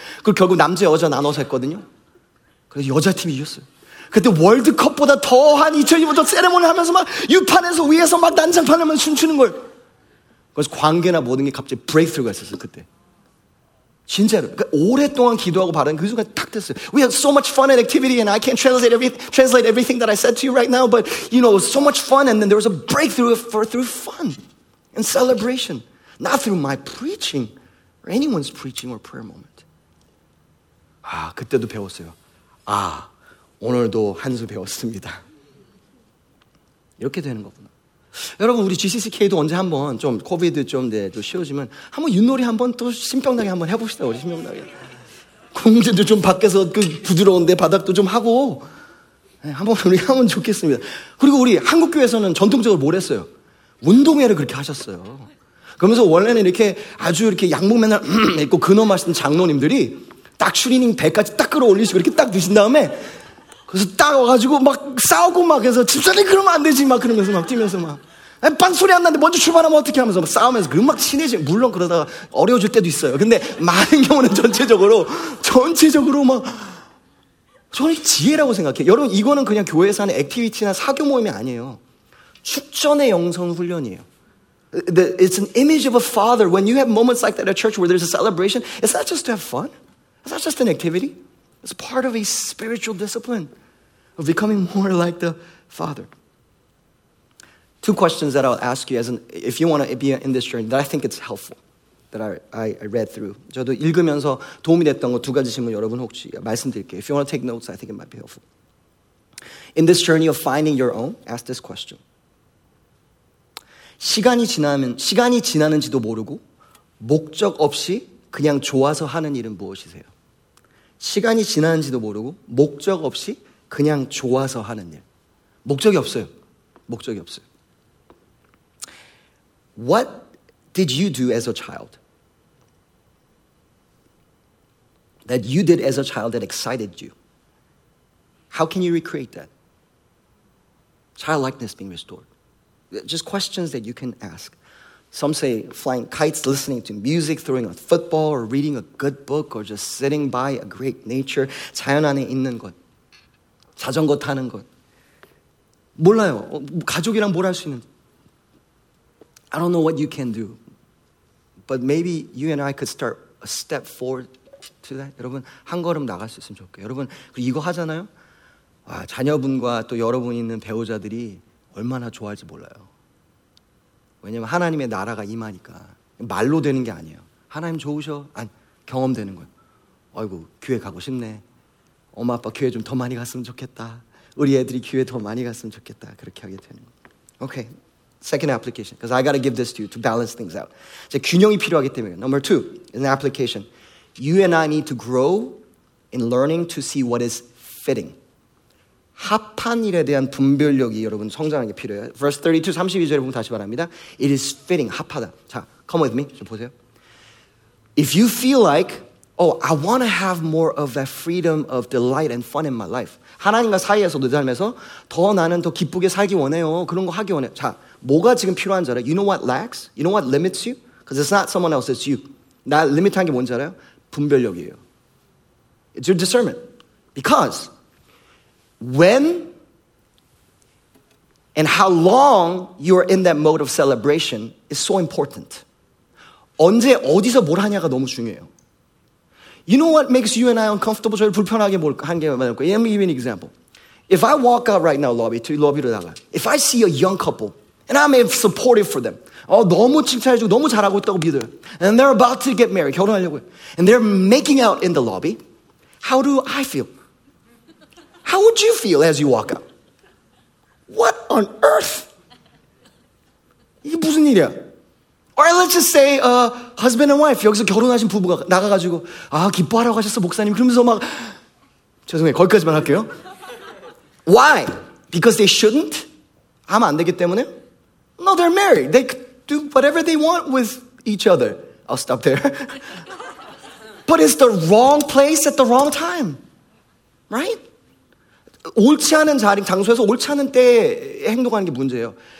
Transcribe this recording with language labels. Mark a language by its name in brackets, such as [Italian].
[Korean] 그리고 결국 남자 여자 나눠서 했거든요. 그래서 여자팀이 이겼어요. 그때 월드컵보다 더한 2002부터 세레모니 하면서 막 유판에서 위에서 막 난장판 하면서 춤추는 걸. 그래서 관계나 모든 게 갑자기 브레이크스루가 있었어요, 그때. 진짜로 그러니까 오랫동안 기도하고 바라는 그 순간 딱 됐어요. [English] We had so much fun and activity and I can't translate everything that I said to you right now but you know it was so much fun and then there was a breakthrough through fun and celebration not through my preaching or anyone's preaching or prayer moment. [Korean] 아, 그때도 배웠어요. 아, 오늘도 한수 배웠습니다. 이렇게 되는 거구나. 여러분 우리 GCCK도 언제 한번 좀 코비드 좀 네, 좀 쉬워지면 한번 윷놀이 한번 또 신병나게 한번 해봅시다. 우리 신병나게 공주도 좀 밖에서 그 부드러운데 바닥도 좀 하고 한번 우리 하면 좋겠습니다. 그리고 우리 한국 교회에서는 전통적으로 뭘 했어요? 운동회를 그렇게 하셨어요. 그러면서 원래는 이렇게 아주 이렇게 양복 맨날 입고 근엄하신 장로님들이 딱 추리닝 배까지 딱 끌어올리시고 이렇게 딱 드신 다음에 그래서 딱 와가지고 막 싸우고 막 해서 집사님 그러면 안 되지 막 그러면서 막 뛰면서 막 반소리 안 나는데 먼저 출발하면 어떻게 하면서 막 싸우면서 음악 친해지 물론 그러다가 어려워질 때도 있어요. 근데 많은 경우는 전체적으로 막 저는 지혜라고 생각해요. 여러분 이거는 그냥 교회에서 하는 액티비티나 사교 모임이 아니에요. 축전의 영성 훈련이에요. [English] It's an image of a father. When you have moments like that at church where there's a celebration, it's not just to have fun. It's not just an activity. It's part of a spiritual discipline of becoming more like the father. Two questions that I'll ask you if you want to be in this journey that I think it's helpful that I read through. [Korean] 저도 읽으면서 도움이 됐던 거 두 가지 질문 여러분 혹시 말씀드릴게요. [English] If you want to take notes, I think it might be helpful. In this journey of finding your own, ask this question. [Korean] 시간이 지나는지도 모르고 목적 없이 그냥 좋아서 하는 일은 무엇이세요? 시간이 지나는지도 모르고 목적 없이 그냥 좋아서 하는 일. 목적이 없어요. 목적이 없어요. [English] What did you do as a child? That you did as a child that excited you. How can you recreate that? Childlikeness being restored. Just questions that you can ask. Some say flying kites, listening to music, throwing a football, or reading a good book, or just sitting by a great nature. [Korean] 자연 안에 있는 것, 자전거 타는 것. 몰라요. 가족이랑 뭘 할 수 있는지. [English] I don't know what you can do. But maybe you and I could start a step forward to that. [Korean] 여러분, 한 걸음 나갈 수 있으면 좋겠어요. 여러분, 이거 하잖아요? 와, 자녀분과 또 여러분 있는 배우자들이 얼마나 좋아할지 몰라요. 왜냐면 하나님의 나라가 임하니까 말로 되는 게 아니에요. 하나님 좋으셔? 아니, 경험되는 거예요. 아이고, 교회 가고 싶네. 엄마, 아빠 교회 좀 더 많이 갔으면 좋겠다. 우리 애들이 교회 더 많이 갔으면 좋겠다. 그렇게 하게 되는 거예요. [English] Okay, second application. Because I gotta give this to you to balance things out. [Korean] 이제 균형이 필요하기 때문에. [English] Number two, an application. You and I need to grow in learning to see what is fitting. [Korean] 합한 일에 대한 분별력이 여러분 성장하는 게 필요해요. [English] Verse 32, [Korean] 32절에 보면 다시 말합니다. [English] It is fitting, [Korean] 합하다. 자, [English] come with me, [Korean] 좀 보세요. [English] If you feel like, oh, I want to have more of that freedom of delight and fun in my life. [Korean] 하나님과 사이에서 내 삶에서 더 나는 더 기쁘게 살기 원해요. 그런 거 하기 원해요. 자, 뭐가 지금 필요한지 알아요? [English] You know what lacks? You know what limits you? Because it's not someone else, it's you. [Korean] 나 limit한 게 뭔지 알아요? 분별력이에요. [English] It's your discernment. Because when and how long you are in that mode of celebration is so important. [Korean] 언제 어디서 뭘 하냐가 너무 중요해요. [English] You know what makes you and I uncomfortable? [Korean] 저를 불편하게 한 게 많을까? [English] Let me give you an example. If I walk out right now, [Korean] lobby로 나가. [English] If I see a young couple, and I'm supportive for them. [Korean] 너무 칭찬해주고 너무 잘하고 있다고 믿어요. [English] And they're about to get married, [Korean] 결혼하려고 해. [English] And they're making out in the lobby. How do I feel? How would you feel as you walk out? What on earth? [Korean] 이게 무슨 일이야? [English] Or let's just say husband and wife. [Korean] 여기서 결혼하신 부부가 나가가지고 아 기뻐하라고 하셨어 목사님. 그러면서 막 죄송해요. 거기까지만 할게요. [English] Why? Because they shouldn't? [Korean] 하면 안 되기 때문에? [English] No, they're married. They do whatever they want with each other. I'll stop there. But it's the wrong place at the wrong time. Right? [Korean] 옳지 않은 자리, 장소에서 옳지 않은 때에 행동하는 게 문제예요.